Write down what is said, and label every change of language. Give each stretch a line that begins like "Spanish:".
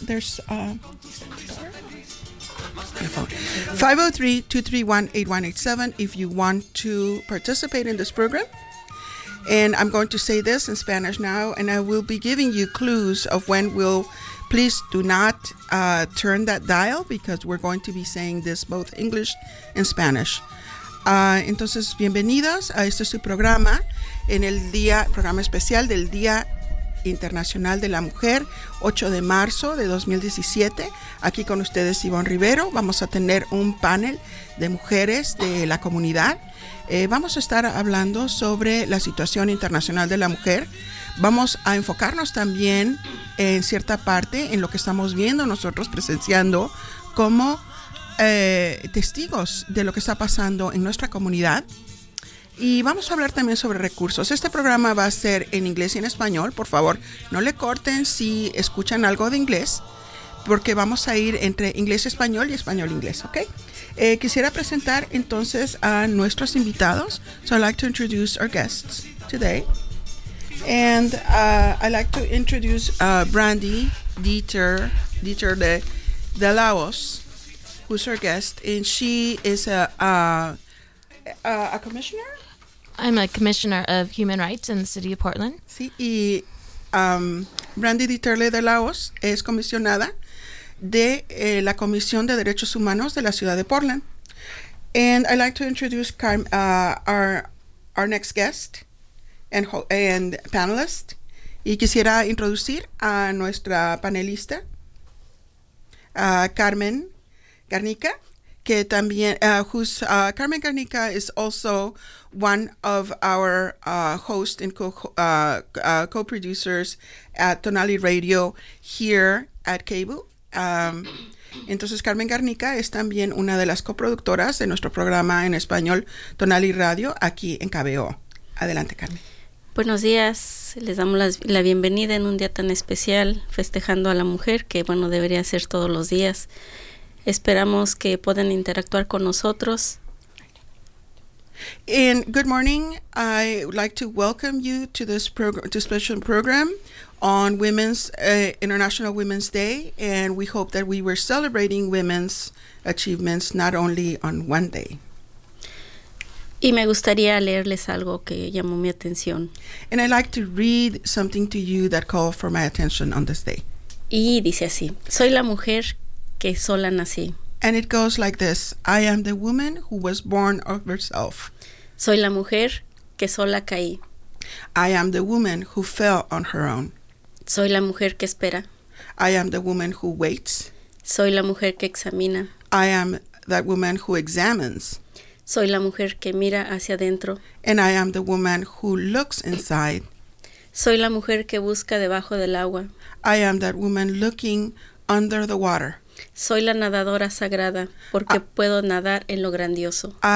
English: There's 503-231-8187 if you want to participate in this program. And I'm going to say this in Spanish now, and I will be giving you clues of when we'll, please do not turn that dial, because we're going to be saying this both English and Spanish.
Spanish: Entonces, bienvenidas a este su programa en el día, programa especial del Día Internacional de la Mujer, 8 de marzo de 2017. Aquí con ustedes Yvonne Rivero. Vamos a tener un panel de mujeres de la comunidad. Vamos a estar hablando sobre la situación internacional de la mujer. Vamos a enfocarnos también en cierta parte en lo que estamos viendo nosotros presenciando como testigos de lo que está pasando en nuestra comunidad. Y vamos a hablar también sobre recursos. Este programa va a ser en inglés y en español. Por favor, no le corten si escuchan algo de inglés, porque vamos a ir entre inglés español y español inglés, ¿ok? Quisiera presentar entonces a nuestros invitados.
English: So I'd like to introduce our guests today. And I'd like to introduce Brandy Dieter de Laos, who's our guest. And she is a commissioner? I'm a commissioner of human rights in the city of Portland.
Spanish: Sí, y Brandy Dieter de Laos es comisionada de la Comisión de Derechos Humanos de la ciudad de Portland.
English: And I'd like to introduce our next guest and panelist.
Spanish: Y quisiera introducir a nuestra panelista, Carmen Garnica.
English: Carmen Garnica is also one of our hosts and co-producers at Tonali Radio here at KABU.
Spanish: Entonces, Carmen Garnica es también una de las coproductoras de nuestro programa en español, Tonali Radio, aquí en KBO. Adelante, Carmen. Buenos días. Les damos la bienvenida en un día tan especial, festejando a la mujer, que, bueno, debería ser todos los días. Esperamos que puedan interactuar con nosotros.
English: And good morning. I would like to welcome you to this special program on Women's International Women's Day, and we hope that we were celebrating women's achievements not only on one day.
Spanish: Y me gustaría leerles algo que llamó mi atención.
English: And I'd like to read something to you that called for my attention on this day.
Spanish: Y dice así, soy la mujer que sola nací.
English: And it goes like this, I am the woman who was born of herself.
Spanish: Soy la mujer que sola caí.
English: I am the woman who fell on her own.
Spanish: Soy la mujer que espera.
English: I am the woman who waits.
Spanish: Soy la mujer que examina.
English: I am that woman who examines.
Spanish: Soy la mujer que mira hacia adentro.
English: And I am the woman who looks inside.
Spanish: Soy la mujer que busca debajo del agua.
English: I am that woman looking under the water.
Spanish: Soy la nadadora sagrada porque puedo nadar en lo grandioso.